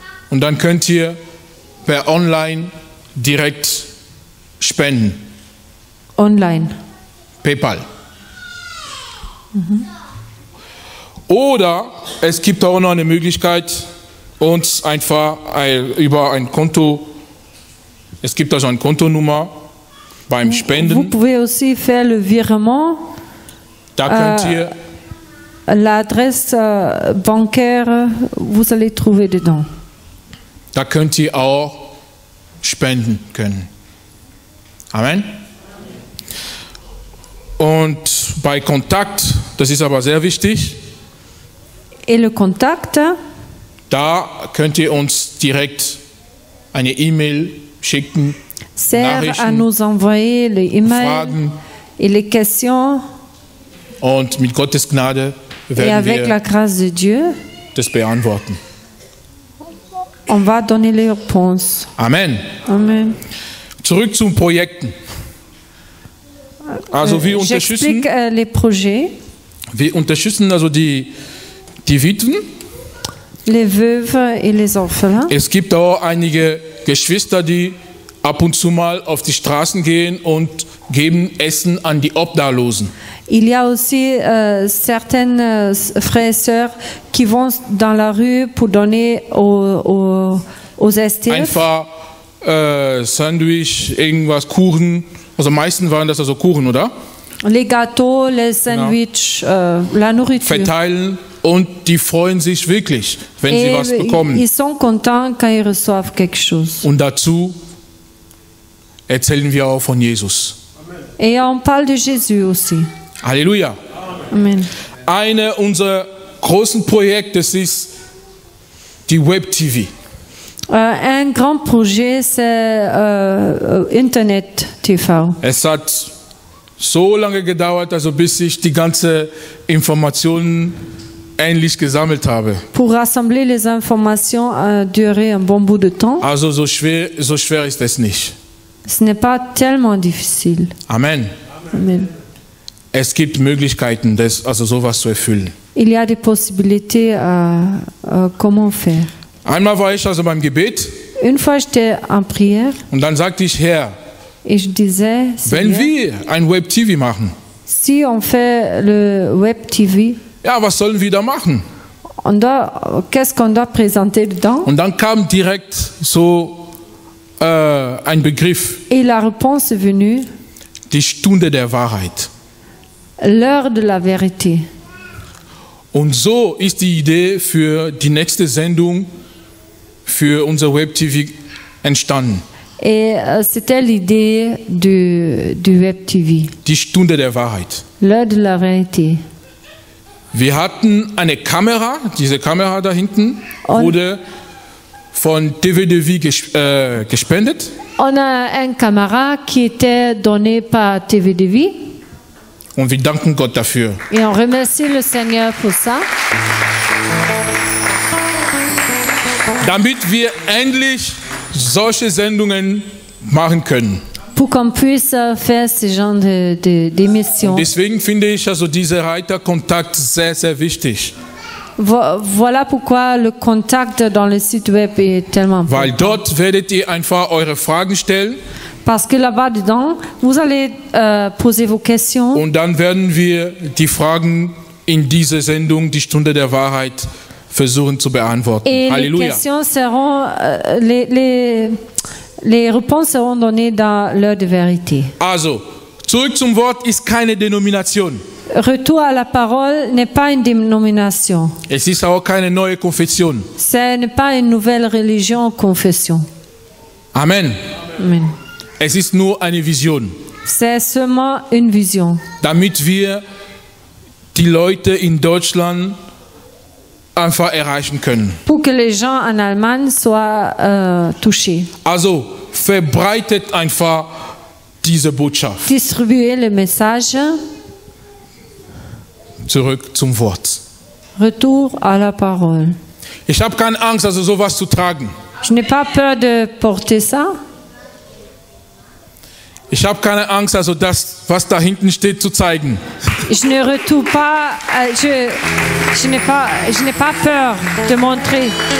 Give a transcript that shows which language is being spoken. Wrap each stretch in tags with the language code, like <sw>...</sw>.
<de>Und dann könnt ihr per online direkt spenden. Online. PayPal. Mhm. Oder es gibt auch noch eine Möglichkeit, uns einfach über ein Konto. Es gibt also eine Kontonummer. Beim Spenden.</de> <fr>Vous pouvez aussi faire le virement.</fr> <de>Da könnt ihr</de> <fr>l'adresse bancaire, vous allez trouver dedans.</fr> <de>Da könnt ihr auch spenden können. Amen. Und bei Kontakt, das ist aber sehr wichtig.</de> <fr>Et le contact.</fr> <de>Da könnt ihr uns direkt eine E-Mail schicken.</de> <fr>Sert à nous envoyer les emails</fr> <de>Fragen</de> <fr>et les questions.</fr> <de>Und mit Gottes Gnade</de> <fr>et avec</fr> <de>wir</de> <fr>la grâce de Dieu,</fr> <de>das beantworten.</de> <fr>On va donner les réponses. Amen. Amen.</fr> <de>Zurück zum Projekten. Also wir unterstützen.</de> <fr>J'explique les projets.</fr> <de>Wir unterstützen also die Witwen.</de> <fr>Les veuves et les orphelins.</fr> <de>Es gibt auch einige Geschwister, die ab und zu mal auf die Straßen gehen und geben Essen an die Obdachlosen.</de> <fr>Il y a aussi certaines frères et sœurs qui vont dans la rue pour donner aux STF.</fr> <de>Einfach Sandwich, irgendwas, Kuchen. Also meistens waren das also Kuchen, oder?</de> <fr>Les gâteaux, les sandwich, ja. La nourriture.</fr> <de>Verteilen und die freuen sich wirklich, wenn</de> <fr>et</fr> <de>sie was bekommen.</de> <fr>Ils sont contents quand ils reçoivent quelque chose.</fr> <de>Und dazu erzählen wir auch von Jesus.</de> <fr>Et on parle de Jésus aussi. Halleluja. Amen.</fr> <de>Eine unserer großen Projekte ist die Web-TV.</de> <fr>Un grand projet, c'est Internet-TV.</fr> <de>Es hat so lange gedauert, also bis ich die ganze Informationen endlich gesammelt habe.</de> <fr>Pour rassembler les informations a duré un bon bout de temps.</fr> <de>Also so schwer ist es nicht.</de> <fr>Ce n'est pas tellement difficile. Amen. Amen.</fr> <de>Es gibt Möglichkeiten, das, also sowas zu erfüllen.</de> <fr>Il y a des possibilités comment faire.</fr> <de>Einmal war ich also beim Gebet.</de> <fr>Une fois j'étais en prière.</fr> <de>Und dann sagte ich, Herr, ich</de> <fr>disais,</fr> <de>wenn wir ein Web TV machen.</de> <fr>Si on fait le Web TV.</fr> <de>Ja, was sollen wir da machen? Und da,</de> <fr>qu'est-ce qu'on doit présenter dedans?</fr> <de>Und dann kam direkt so ein Begriff.</de> <fr>Et la réponse est venue.</fr> <de>Die Stunde der Wahrheit.</de> <fr>L'heure de la vérité.</fr> <de>Und so ist die Idee für die nächste Sendung für unser Web TV entstanden.</de> <fr>Et c'était l'idée du Web TV.</fr> <de>Die Stunde der Wahrheit.</de> <fr>L'heure de la vérité.</fr> <de>Wir hatten eine Kamera, diese Kamera da hinten wurde von TV de Vie gespendet.</de> <fr>On a une caméra qui était donnée par TV de Vie.</fr> <de>Und wir danken Gott dafür.</de> <fr>Et on remercie le Seigneur pour ça.</fr> <de>Damit wir endlich solche Sendungen machen können.</de> <fr>Pour qu'on puisse faire ce genre d'émission.</fr> <de>Deswegen finde ich also diese Reiterkontakt sehr, sehr wichtig.</de> <fr>Voilà pourquoi le contact dans le site web est tellement important.</fr> <de>Weil dort werdet ihr einfach eure Fragen stellen.</de> <fr>Parce que là-bas dedans, vous allez poser vos questions.</fr> <de>Und dann werden wir die Fragen in dieser Sendung, die Stunde der Wahrheit, versuchen zu beantworten.</de> <fr>Et Halleluja. Les questions seront les réponses seront données dans l'heure de vérité.</fr> <de>Also, zurück zum Wort ist keine Denomination.</de> <fr>Retour à la parole n'est pas une dénomination.</fr> <de>Es ist auch keine neue Konfession.</de> <fr>Ce n'est pas une nouvelle religion ou confession. Amen. Amen.</fr> <de>Es ist nur eine Vision.</de> <fr>C'est seulement une vision.</fr> <de>Damit wir die Leute in Deutschland einfach erreichen können.</de> <fr>Pour que les gens en Allemagne soient touchés.</fr> <de>Also, verbreitet einfach diese Botschaft.</de> <fr>Distribuez le message.</fr> <de>Zurück zum Wort.</de> <fr>Retour à la parole.</fr> <de>Ich habe keine Angst, also sowas zu tragen.</de> <fr>Je n'ai pas peur de porter ça.</fr> <de>Ich habe keine Angst, also das, was da hinten steht, zu zeigen. Ich</de> <fr>ne retour pas, je n'ai pas peur de montrer.</fr>